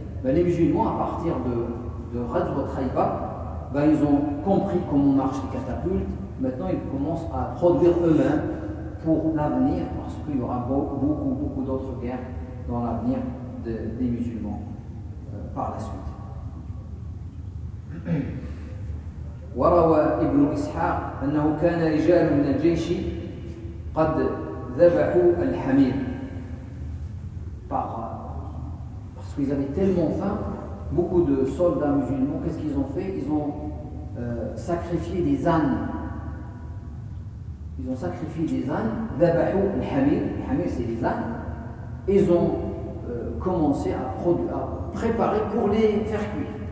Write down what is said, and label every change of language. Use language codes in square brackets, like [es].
[fr] Ben, les musulmans, à partir de Ghazwat Khayba, ben, ils ont compris comment marchent les catapultes. Maintenant, ils commencent à produire eux-mêmes pour l'avenir, parce qu'il y aura beaucoup d'autres guerres dans l'avenir des musulmans par la suite. [ar] وروى ابن إسحاق أنه كان رجال من الجيش قد ذبحوا الحمير. [fr] parce qu'ils avaient tellement faim, beaucoup de soldats musulmans, qu'est-ce qu'ils ont fait? Ils ont sacrifié des ânes. ils ont sacrifié des ânes, [ar] dhabahu al-hamir, al-hamir [fr] c'est les ânes, ils ont commencé à préparer pour les faire cuire.